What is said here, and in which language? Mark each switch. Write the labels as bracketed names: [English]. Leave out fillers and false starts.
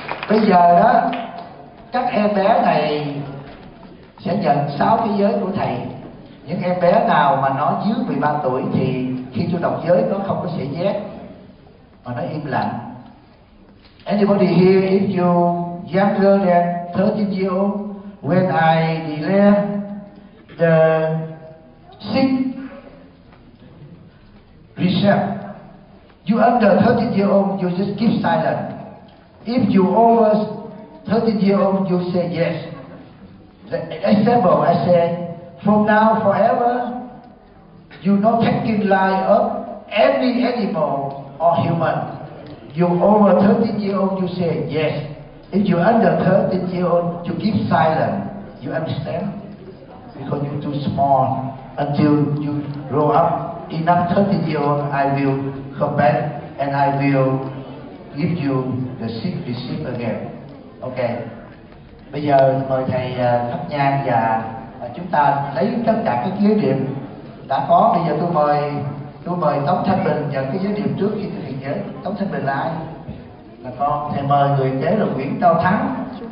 [Vietnamese] Bây giờ đó, các em bé này sẽ nhận 6 cái giới của thầy. Những em bé nào mà nó dưới 13 tuổi thì khi tôi đọc giới nó không có sẽ nhét, mà nó im lặng. [English] Anybody here, if you younger than 13 years old, when I declare the sixth precept, you under 13 years old, you just keep silent. If you over 13 years old, you say yes. The example, I say, from now forever, you not taking life of any animal or human. You over 13 years old, you say yes. If you under 13 years old, you keep silent. You understand? Because you're too small. Until you grow up enough 13 years old, I will come back and I will give you the sick receipt again. Okay. [Vietnamese] Bây giờ mời thầy thắp nhang và chúng ta lấy tất cả các giới điểm đã có. Bây giờ tôi mời Tống Thanh Bình nhận cái giới điểm trước khi thực hiện giới. Tống Thanh Bình là ai? Là con. Thầy mời người kế là Nguyễn Cao Thắng.